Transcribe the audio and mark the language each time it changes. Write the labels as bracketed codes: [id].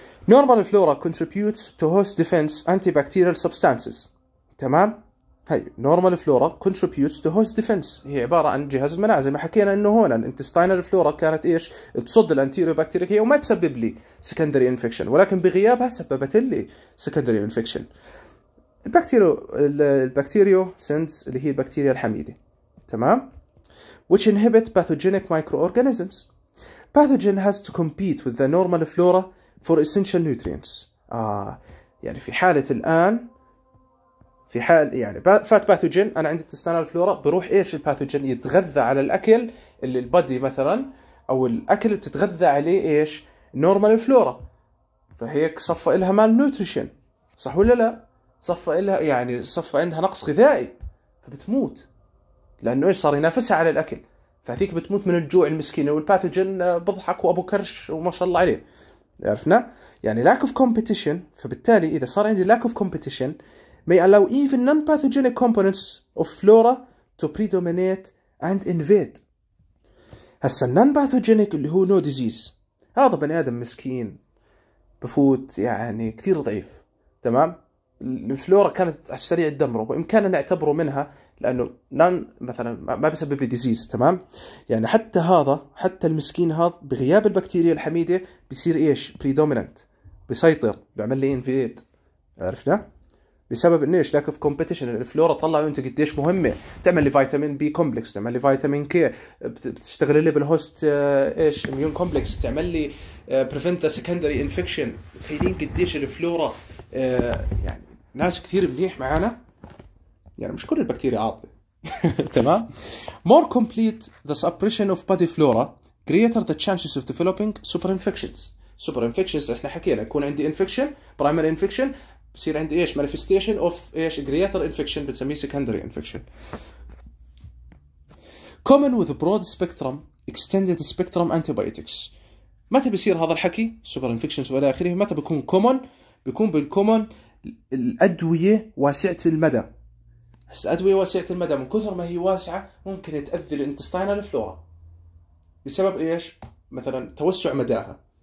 [en] Normal flora contributes to host defense antibacterial substances، [ar] تمام؟ هاي [en] Normal flora contributes to host defense، [ar] هي عبارة عن جهاز المناعة زي ما حكينا إنه هون الانتستينال فلورا كانت إيش؟ تصد الأنتيريو بكتيريكية وما تسبب لي secondary infection، ولكن بغيابها سببت لي secondary infection. البكتيريو سينس اللي هي البكتيريا الحميدة، تمام؟ [en] which inhibit pathogenic microorganisms. pathogen has to compete with the normal flora for essential nutrients. [ar] يعني في حالة الآن، في حال يعني فات pathogen، أنا عندي intestinal flora، بروح إيش الباثوجين يتغذى على الأكل اللي البادي مثلا أو الأكل بتتغذى عليه إيش؟ normal flora، فهيك صفى إلها malnutrition، صح ولا لا؟ صفى لها يعني صفى عندها نقص غذائي فبتموت، لانه ايش صار ينافسها على الاكل، فهذيك بتموت من الجوع المسكينه، والباثوجين بضحك وابو كرش وما شاء الله عليه، عرفنا يعني [en] lack of competition. [ar] فبالتالي اذا صار عندي [en] lack of competition may allow even non pathogenic components of flora to predominate and invade. [ar] هسه [en] non pathogenic [ar] اللي هو [en] no disease، [ar] هذا بني ادم مسكين بفوت يعني كثير ضعيف. تمام، الفلورا كانت على السريع تدمره، بامكاننا نعتبره منها لانه نان مثلا ما بيسبب لي ديزيز. تمام، يعني حتى هذا، حتى المسكين هذا بغياب البكتيريا الحميده بيصير ايش؟ بريدومينانت، بيسيطر، بيعمل لي انفيد. عرفنا بسبب ايش؟ لاك اوف كومبيتيشن. الفلورا طلعوا انت قديش مهمه، تعمل لي فيتامين بي كومبلكس، تعمل لي فيتامين كي، بتشتغل لي بالهوست ايش؟ اميون كومبلكس، تعمل لي بريفنت سكندري انفكشن. تخيلين قديش الفلورا يعني ناس كثير منيح معانا، يعني مش كل البكتيريا عاطلة. تمام، [en] more complete the suppression of body flora greater the chances of developing super infections. [ar] super infections احنا حكينا يكون عندي infection primary infection، بصير عندي ايش؟ manifestation of ايش؟ greater infection بتسميه secondary infection. [en] common with broad spectrum extended spectrum antibiotics. [ar] متى بيصير هذا الحكي super infections ولا اخره؟ متى بيكون common؟ بيكون بالcommon الأدوية واسعة المدى. بس أدوية واسعة المدى من كثر ما هي واسعة ممكن تأذي الانتستينال فلورا بسبب إيش؟ مثلا توسع مداها.